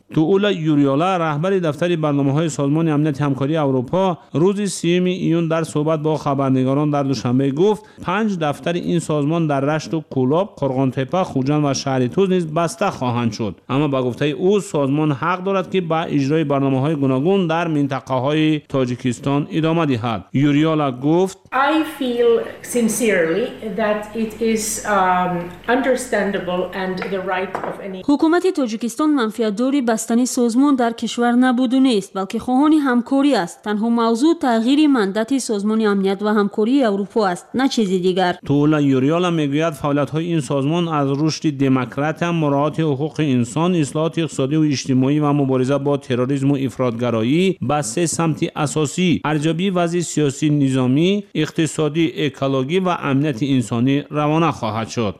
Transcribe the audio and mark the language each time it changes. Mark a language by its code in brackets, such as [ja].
[fa] تو اولا یوریولا رهبر دفتر برنامه‌های سازمان امنیت همکاری اروپا روز 30 ایون در صحبت با خبرنگاران در دوشنبه گفت 5 دفتر این سازمان در رشت و کولاب، قرغان‌تپه، خوجند و شهرتوز نیز بسته خواهند شد. اما با گفته او سازمان حق دارد که به اجرای برنامه‌های گوناگون در منطقه‌های تاجیکستان ادامه دهد. یوریولا گفت [en] I feel sincerely that it is understandable and the right of any [fa] حکومت تاجیکستان منفعت‌داری بستنی سازمان در کشور نبود و نیست، بلکه خواهان همکاری است. تنها موضوع تغییر مندت سازمان امنیت و همکاری اروپا است، نه چیز دیگر. تولا یوریالا میگوید فعالیت های این سازمان از رشد دموکراسی، مراعات حقوق انسان، اصلاحات اقتصادی و اجتماعی و مبارزه با تروریسم و افراطگرایی به سه سمت اساسی ارزیابی وضع سیاسی، نظامی، اقتصادی، اکولوژی و امنیت انسانی روانه خواهد شد.